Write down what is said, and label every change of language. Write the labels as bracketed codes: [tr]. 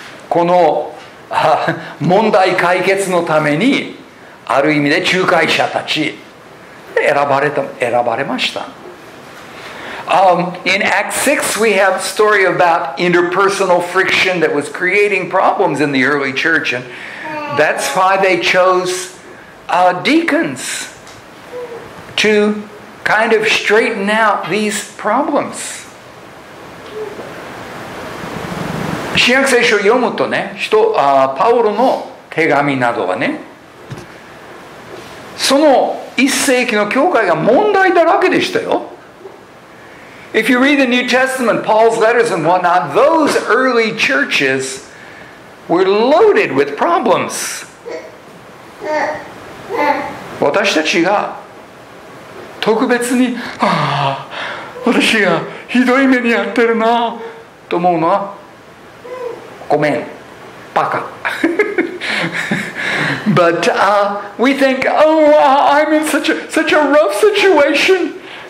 [ja] この問題解決のためにある意味で仲介者たち選ばれました。 [en] In Acts 6 we have a story about interpersonal friction that was creating problems in the early church and that's why they chose deacons to kind of straighten out these problems. [ja] 新約聖書を読むとね、パウロの手紙などはね、その一世紀の教会が問題だらけでしたよ。 [en] If you read the New Testament, Paul's letters and whatnot, those early churches were loaded with problems. [ja] 私たちが特別に、ああ、私がひどい目に遭ってるなと思うのは、ごめん、バカ。 [en] But we think, oh, I'm in such a rough situation.